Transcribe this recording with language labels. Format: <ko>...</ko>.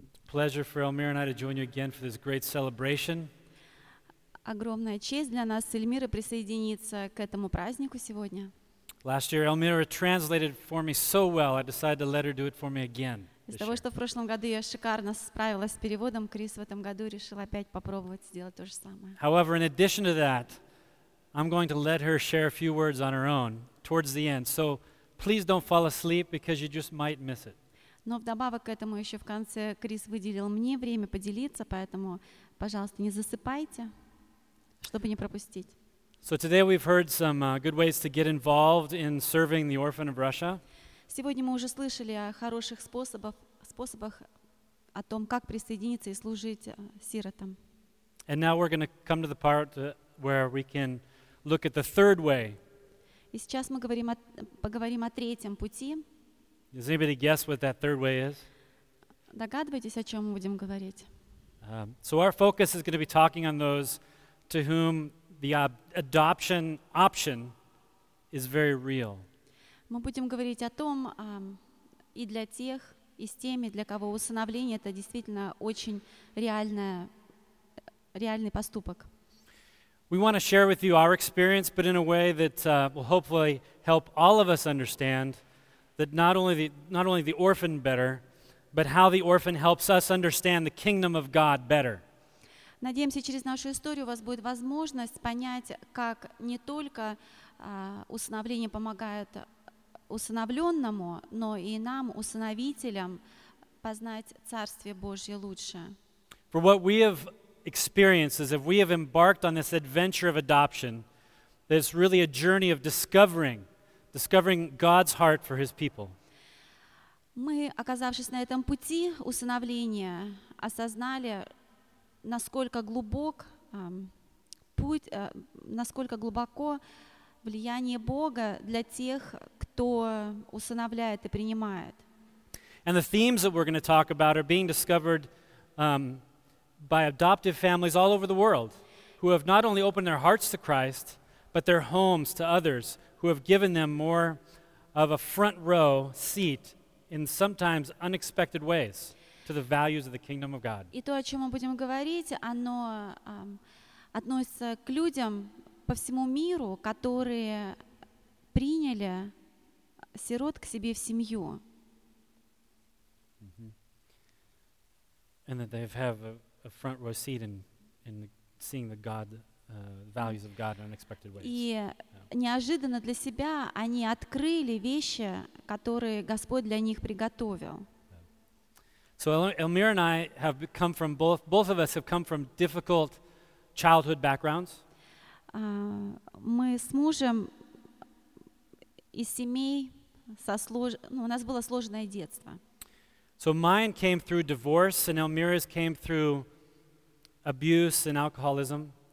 <en>Pleasure for Elmira and I to join you again for this great celebration.</en> <ru>Огромная честь для нас, Эльмира, присоединиться к этому празднику сегодня.</ru> <en>Last year, Elmira translated for me so well, I decided to let her do it for me again.</en> <ru>Из того, что в прошлом году я шикарно справилась с переводом, Крис в этом году решил опять попробовать сделать то же самое.</ru> <en>However, in addition to that, I'm going to let her share a few words on her own towards the end. So please don't fall asleep because you just might miss it.</en> <ru>Но вдобавок к этому еще в конце Крис выделил мне время поделиться, поэтому, пожалуйста, не засыпайте, чтобы не пропустить.</ru> <en>So today we've heard some good ways to get involved in serving the orphan of Russia.</en> <ru>Сегодня мы уже слышали о хороших способах о том, как присоединиться и служить сиротам.</ru> <en>And now we're going to come to the part where we can look at the third way.</en> <ru>И сейчас мы поговорим о третьем пути.</ru> <en>Does anybody guess what that third way is?</en> <ru>Догадываетесь, о чем мы будем говорить?</ru> <en>So our focus is going to be talking on those to whom the adoption option is very real.</en> <ru>Мы будем говорить о том, и для тех, и с теми, для кого усыновление — это действительно очень реальный поступок.</ru> <en>We want to share with you our experience, but in a way that will hopefully help all of us understand that not only the orphan better, but how the orphan helps us understand the kingdom of God better.</en> <ru>Надеемся, через нашу историю у вас будет возможность понять, как не только усыновление помогает усыновленному, но и нам, усыновителям, познать Царствие Божье лучше.</ru> <en>For what we have experienced is that we have embarked on this adventure of adoption, that it's really a journey of discovering God's heart for His people.</en> <ru>Мы, оказавшись на этом пути усыновления, осознали, насколько глубоко влияние Бога для тех, кто усыновляет и принимает.</ru> <en>And the themes that we're going to talk about are being discovered by adoptive families all over the world who have not only opened their hearts to Christ, but their homes to others who have given them more of a front row seat in sometimes unexpected ways to the values of the kingdom of God.</en> <ru>И то, о чём мы будем говорить, оно относится к людям по всему миру, которые приняли сирот к себе в семью.</ru> <en>And that they have a front row seat in seeing the God values of God in unexpected ways.</en> <ru>И неожиданно для себя они открыли вещи, которые Господь для них приготовил.</ru> <en>So Elmir and I have come from both of us have come from difficult childhood backgrounds.</en> <ru>Мы с мужем из семей у нас было сложное детство.</ru> <en>So mine came through divorce and Elmira's came through abuse and alcoholism.</en>